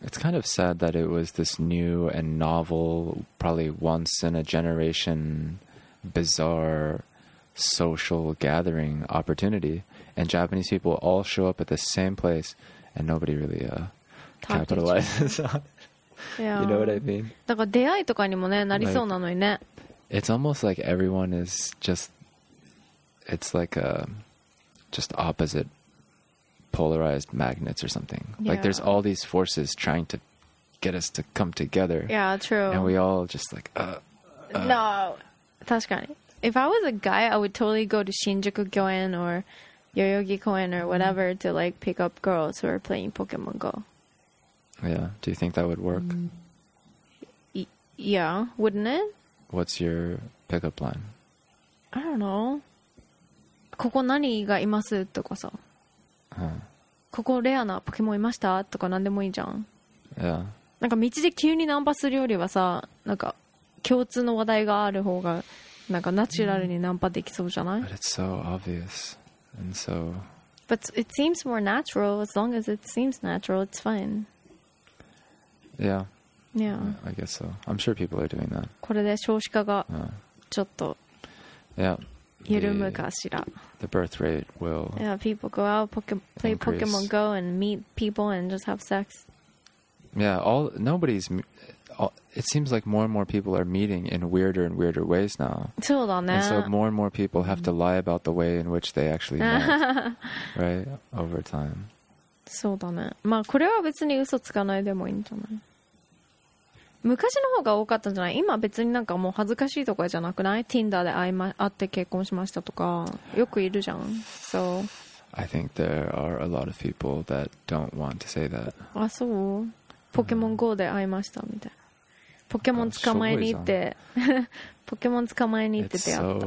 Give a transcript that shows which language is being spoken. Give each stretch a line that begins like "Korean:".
English: It's kind of sad that it was this new and novel, probably once in a generation, bizarre social gathering opportunity. And Japanese people all show up at the same place and nobody really capitalizes on it. Yeah. You know what I mean?
Japanese: だから出会いとかにもね、なりそうなのにね。
English: It's almost like everyone is just... It's like a... Just opposite polarized magnets or something. Yeah. Like there's all these forces trying to get us to come together. Yeah, true. And we all just like, No.
Japanese: 確かに。
English: If I was a guy, I would totally go to Shinjuku Gyoen or Yoyogi Koen or whatever to like pick up girls who are playing Pokemon Go. Yeah. Do you think that would work? Yeah, wouldn't it? What's your pickup line? I don't know.
Japanese: ここ何がいますとかさ。ここレアなポケモンいましたとか何でもいいじゃん。
English: Yeah.
Japanese: なんか道で急にナンパするよりはさ、なんか共通の話題がある方がなんかナチュラルにナンパできそうじゃない
English: ？But it's so obvious and so. But it seems more natural. As long as it seems natural, it's fine. Yeah. Yeah. I guess so. I'm sure people are doing that.
Japanese: これで少子化がちょっと。
English: Yeah. The birth rate will. Yeah, people go out, play Pokemon Go, and meet people and just have sex. Yeah, it seems like more and more people are meeting in weirder and weirder ways now.
Japanese: そうだね。
English: And so more and more people have to lie about the way in which they actually met, right? Over time.
Japanese: そうだね。まあ、これは別に嘘つかないでもいいんじゃない？昔の方が多かったんじゃない？今別になんかもう恥ずかしいとかじゃなくない？ Tinder で会って結婚しましたとかよくいるじゃん。So
English: I think there are a lot of people that don't want to say that.
Japanese: あ、そう？ポケモン GO で会いましたみたいな。ポケモン捕まえに行って、ポケモン捕まえに行って出会った。